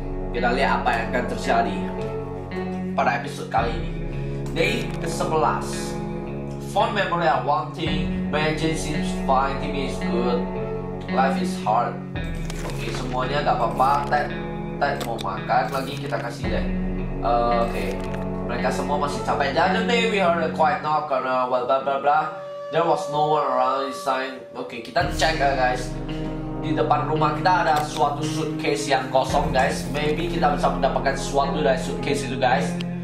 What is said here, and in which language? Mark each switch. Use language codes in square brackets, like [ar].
[id] Kita lihat apa yang akan terjadi pada episode kali ini. [en] Day ke-11. Fond memory are one thing. Mary Jane seems fine. Timmy is good. Life is hard. [id] Okay, semuanya gak apa-apa. Ted mau makan lagi, kita kasih deh. Okay, mereka semua masih capek. [en] The other day we heard a quiet knock on our wall, blah blah blah. There was no one around inside. Okay, [id] kita cek ya guys. Di depan rumah kita ada suatu suitcase yang kosong guys. Maybe kita bisa mendapatkan sesuatu dari suitcase itu guys.